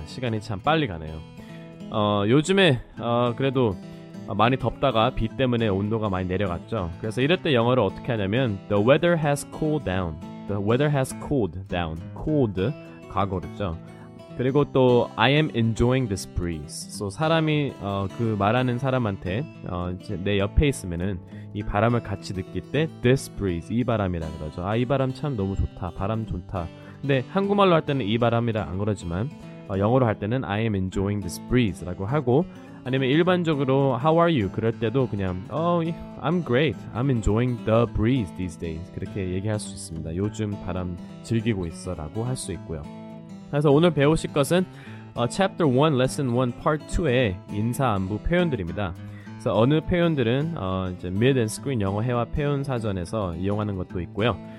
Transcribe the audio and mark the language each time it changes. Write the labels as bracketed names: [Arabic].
[Korean] 시간이 참 빨리 가네요. 요즘에 그래도 많이 덥다가 비 때문에 온도가 많이 내려갔죠. 그래서 이럴 때 영어를 어떻게 하냐면 [English] The weather has cooled down. The weather has cooled down. Cooled [Korean] 과거겠죠. 그리고 또 [English] I am enjoying this breeze. [Korean] So 사람이 그 말하는 사람한테 내 옆에 있으면은 이 바람을 같이 느낄 때 [English] this breeze [Korean] 이 바람이라 그러죠. 아, 이 바람 참 너무 좋다. 바람 좋다. 근데 한국말로 할 때는 이 바람이라 안 그러지만 영어로 할 때는 [English] I am enjoying this breeze [Korean] 라고 하고 아니면 일반적으로 [English] how are you [Korean] 그럴 때도 그냥 [English] I'm great. I'm enjoying the breeze these days. [Korean] 그렇게 얘기할 수 있습니다. 요즘 바람 즐기고 있어 라고 할 수 있고요. 그래서 오늘 배우실 것은 Chapter 1, Lesson 1, Part 2의 인사 안부 표현들입니다. 그래서 어느 표현들은 이제 Mid and Screen 영어 회화 표현 사전에서 이용하는 것도 있고요.